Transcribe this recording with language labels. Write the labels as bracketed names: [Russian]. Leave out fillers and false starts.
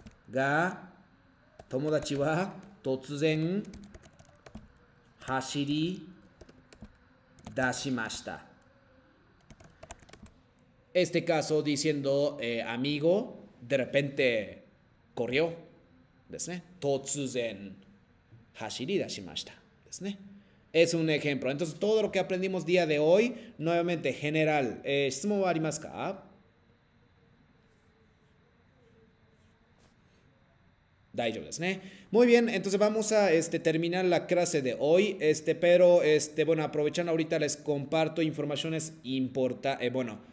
[Japanese] が、友達は突然走り出しました。 [Spanish] Este caso diciendo amigo, de repente corrió ですね。 [Japanese] 突然走り出しましたですね。 [Spanish] Es un ejemplo. Entonces, todo lo que aprendimos día de hoy, nuevamente general, [Japanese] ¿質問はありますか？ [Spanish] Daijo desu ne. Muy bien, entonces vamos a terminar la clase de hoy. Pero bueno, aprovechando ahorita les comparto informaciones importantes. Bueno,